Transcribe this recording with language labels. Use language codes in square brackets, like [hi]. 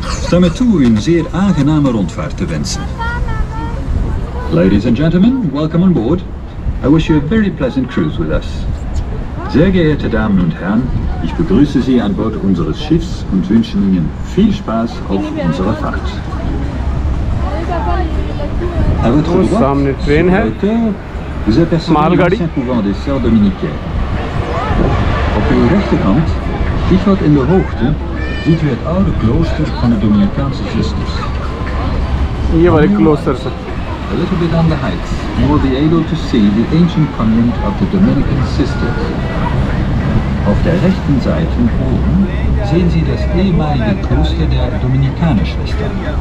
[nl] Damit toe een zeer aangename rondvaart te wensen. [en] Ladies and gentlemen, welcome on board. I wish you a very pleasant cruise with us. [de] Sehr geehrte Damen und Herren, ich begrüße Sie an Bord unseres Schiffs und wünsche Ihnen viel Spaß auf unserer Fahrt. [fr] À votre droite, sous le côté, vous apercevez l'ancien couvent des Sœurs Dominicaines. [nl] Op uw rechterkant, dicht wat in de hoogte, ziet u het oude klooster van de Dominicaanse zusters. Hier waar ik klooster zit. [en] A little bit on the heights, you will be able to see the ancient convent of the Dominican sisters. [de] Auf der rechten Seite oben sehen Sie das ehemalige Kloster der Dominikanerschwestern.